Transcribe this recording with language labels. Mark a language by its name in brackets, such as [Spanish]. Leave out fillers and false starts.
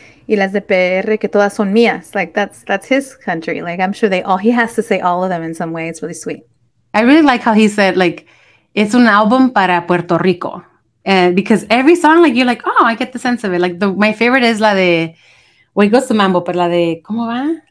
[Spanish] Y las de PR que todas son mías. [English] Like, that's his country. Like, I'm sure he has to say all of them in some way. It's really sweet. I really like how he said, like, it's [Spanish] un album para Puerto Rico. [English] Because every song, like, you're like, oh, I get the sense of it. Like, my favorite is [Spanish] la de, [English] well, it goes to Mambo, [Spanish] pero la de, ¿cómo va?